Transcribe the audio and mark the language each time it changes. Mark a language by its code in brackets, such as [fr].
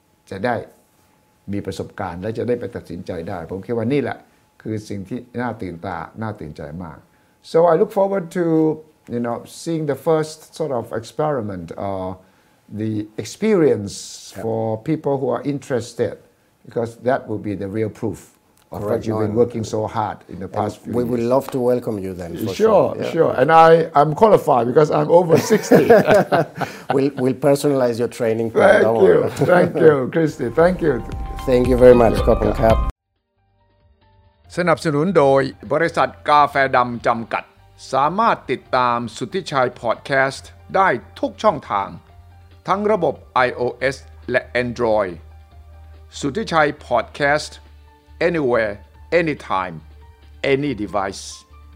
[th] จะได้มีประสบการณ์และจะได้ไปตัดสินใจได้ผมคิดว่านี่แหละคือสิ่งที่น่าตื่นตาน่าตื่นใจมาก [en] So I look forward to you know seeing the first sort of experiment or the experience for people who are interested because that will be the real proof of what you've been working so hard in the past few years. We would love to welcome you then. Sure. And I'm qualified because I'm over 60. we'll personalize your training. Thank you, Christy. Thank you. Thank you very much, Copen Cap. [th] สนับสนุนโดยบริษัทกาแฟดำจำกัดสามารถติดตามสุทธิชัยพอดแคสต์ได้ทุกช่องทางทั้งระบบ iOS และ Android. [en] สุทธิชัยพอดแคสต์Anywhere, anytime, any device.